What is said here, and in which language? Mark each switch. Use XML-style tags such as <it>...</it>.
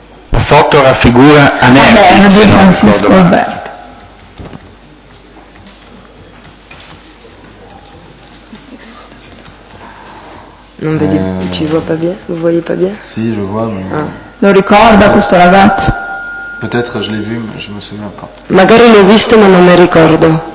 <it>Foto raffigura Anerzi, Francesco Alberto. Non vedi, ci vuoi</it> <fr>pas bien? Vous voyez pas bien? Sì, je vois, mais... Ah.</fr> <it>Lo ricorda questo ragazzo?</it> <fr>Peut-être je l'ai vu, mais je me souviens pas.</fr> <it>Magari l'ho visto, ma non mi ricordo.</it>